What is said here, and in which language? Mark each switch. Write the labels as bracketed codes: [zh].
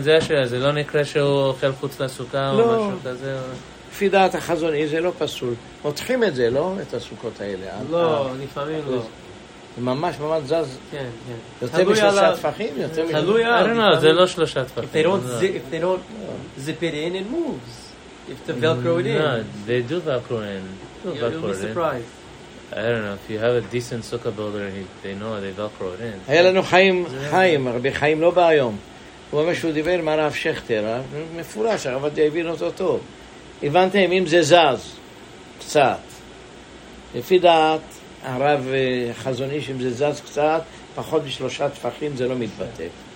[he] זה השאלה, זה לא נקרא שהוא אוכל חוץ לסוכה או משהו כזה. לפי דעת החזוני זה לא פסול, מותחים את זה, לא? את הסוכות האלה. לא, לפעמים לא. זה ממש ממש זז יותר משלושה טפחים? תלוי על לפעמים. זה לא שלושה טפחים. [en] If they don't zip it in, it moves. If the velcro it in. No, they do velcro in. You'll be surprised. I don't know. If you have a decent sukkah builder, they know how they velcro it in. [he] היה לנו חיים, הרבה חיים לא בא היום. הוא אומר שהוא דיבר עם הרב שכטר, מפורש, הרב עד יבין אותו טוב. הבנתם, אם זה זז, קצת. לפי דעת, הרב חזוני, אם זה זז קצת, פחות משלושה טפחים, זה לא מתבטא.